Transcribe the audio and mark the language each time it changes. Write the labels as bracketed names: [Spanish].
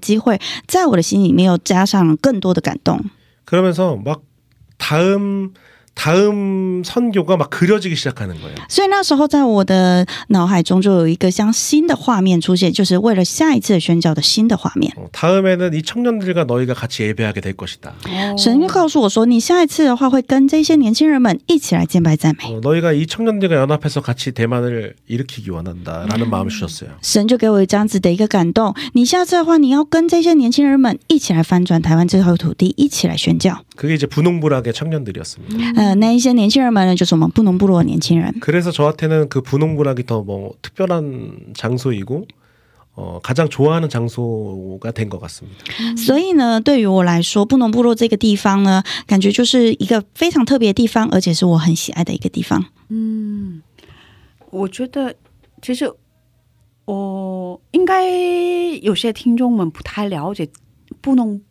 [Chinese] 那时候我跟这些青年们一起来唱这首诗歌的时候，神就是透过这样子的机会，在我的心里面又加上更多的感动。 [Korean] 그러면서 막 다음 선교가 막 그려지기 시작하는 거예요. [Chinese] 所以那时候在我的脑海中就有一个像新的画面出现，就是为了下一次宣教的新的画面。 [Korean] 다음에는 이 청년들과 너희가 같이 예배하게 될 것이다. [Chinese] 神就告诉我说，你下一次的话会跟这些年轻人们一起来敬拜赞美。 [Korean] 너희가 이 청년들과 연합해서 같이 대만을 일으키기 원한다라는 마음을 주셨어요. [Chinese] 神就给我这样子的一个感动，你下次的话你要跟这些年轻人们一起来翻转台湾这块土地，一起来宣教。 [Korean] 그게 이제 분홍부락의 청년들이었습니다. [Chinese] 那一些年轻人们就是我们布农部落的年轻人。 [Korean] 그래서 저한테는 그 분홍부락이 더 뭐 특별한 장소이고 가장 좋아하는 장소가 된 것 같습니다. [Chinese] 所以呢，对于我来说，布农部落这个地方呢，感觉就是一个非常特别的地方，而且是我很喜爱的一个地方。我觉得其实我应该有些听众们不太了解布农。